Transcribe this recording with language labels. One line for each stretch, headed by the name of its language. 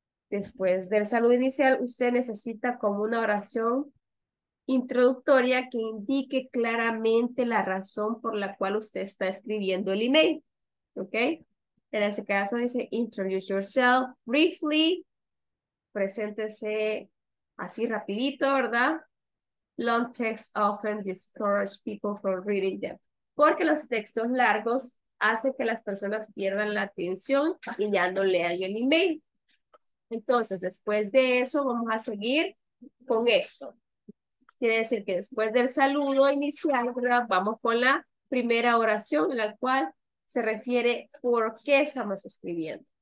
Spanish: Después del saludo inicial, usted necesita como una oración introductoria que indique claramente la razón por la cual usted está escribiendo el email. ¿Ok? En ese caso dice,
English: introduce yourself briefly,
Spanish: preséntese así rapidito, ¿verdad?
English: Long texts often discourage people from reading them.
Spanish: Porque los textos largos hacen que las personas pierdan la atención y ya no lean el email. Entonces, después de eso, vamos a seguir con esto. Quiere decir que después del saludo inicial, ¿verdad? Vamos con la primera oración en la cual se refiere por qué estamos escribiendo.